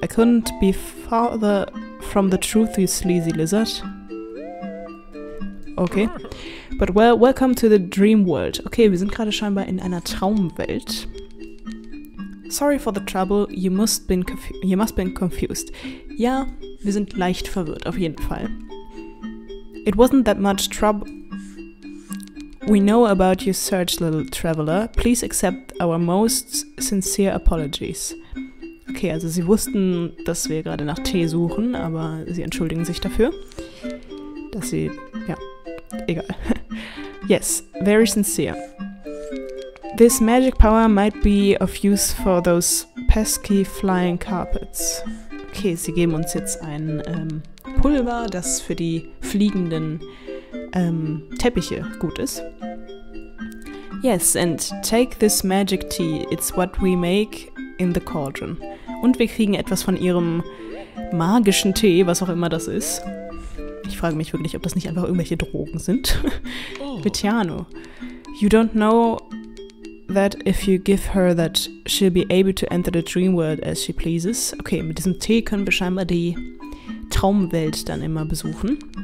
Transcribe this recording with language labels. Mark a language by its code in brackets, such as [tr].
[en] I couldn't be farther from the truth, you sleazy lizard. Okay. But well, welcome to the dream world. [de] Okay, wir sind gerade scheinbar in einer Traumwelt. [en] Sorry for the trouble. You must been confused. [de] Ja, wir sind leicht verwirrt, auf jeden Fall. [en] It wasn't that much trouble. We know about your search, little traveler. Please accept our most sincere apologies. [de] Okay, also sie wussten, dass wir gerade nach Tee suchen, aber sie entschuldigen sich dafür. Dass sie, ja, egal. [en] Yes, very sincere. This magic power might be of use for those pesky flying carpets. [de] Okay, sie geben uns jetzt ein Pulver, das für die fliegenden Teppiche gut ist. [en] Yes, and take this magic tea. It's what we make in the cauldron. [de] Und wir kriegen etwas von ihrem magischen Tee, was auch immer das ist. Ich frage mich wirklich, ob das nicht einfach irgendwelche Drogen sind. Oh. [en] Vitiano, you don't know that if you give her that she'll be able to enter the dream world as she pleases. [de] Okay, mit diesem Tee können wir scheinbar die Traumwelt dann immer besuchen.